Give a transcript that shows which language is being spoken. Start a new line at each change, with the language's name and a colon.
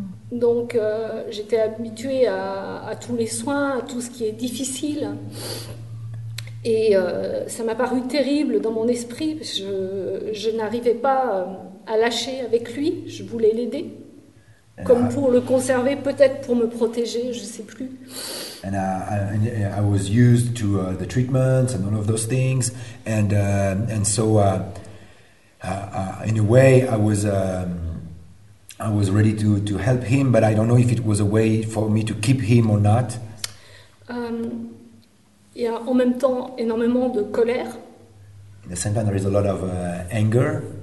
French: Donc j'étais habituée à tous les soins, à tout ce qui est difficile. Et ça m'a paru terrible dans mon esprit, parce que je n'arrivais pas à lâcher avec lui, je voulais l'aider, comme pour le conserver, peut-être pour me protéger, je ne sais plus.
English: And I was used to the treatments and all of those things, and so in a way I was ready to help him, but I don't know if it was a way for me to keep him or not.
French: Il y a en même temps énormément de colère.
English: In the same time, there is a lot of anger.